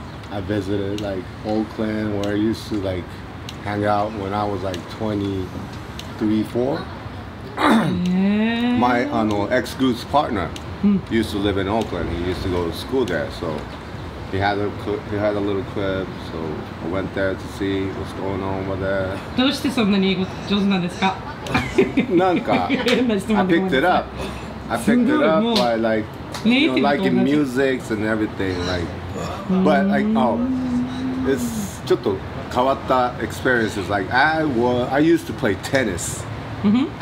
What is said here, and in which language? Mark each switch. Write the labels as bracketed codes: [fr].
[en] I visited like Oakland, where I used to like hang out when I was like 23, 4. My ex-group's partner used to live in Oakland. He used to go to school there, so. He had a little crib, so I went there to see what's going on over there. [ja] どうしてそんなに英語上手なんですか？なんか、 [en] I picked it up by like, you know, liking music and everything. Like, but like, it's [ja] ちょっと変わった [en] experiences. Like, I used to play tennis. Mm-hmm.